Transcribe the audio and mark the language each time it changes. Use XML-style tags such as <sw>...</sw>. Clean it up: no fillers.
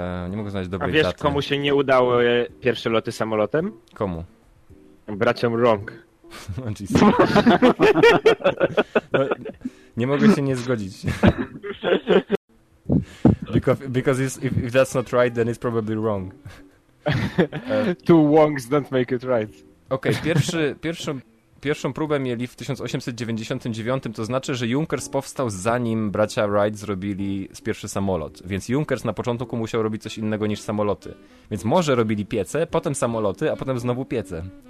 <pl>Nie mogę znaleźć dobrej daty. A wiesz, daty. Komu się nie udało pierwsze loty samolotem? Komu? Braciom Wrong.</pl> <en>Oh, Jesus.</en> <pl>nie mogę się nie zgodzić.</pl> <en>because if that's not right, then it's probably wrong. Two wrongs don't make it right.</en> <pl>Okej, okay, pierwszą próbę mieli w 1899, to znaczy, że Junkers powstał zanim bracia Wright zrobili pierwszy samolot. Więc Junkers na początku musiał robić coś innego niż samoloty. Więc może robili piece, potem samoloty, a potem znowu piece.</pl>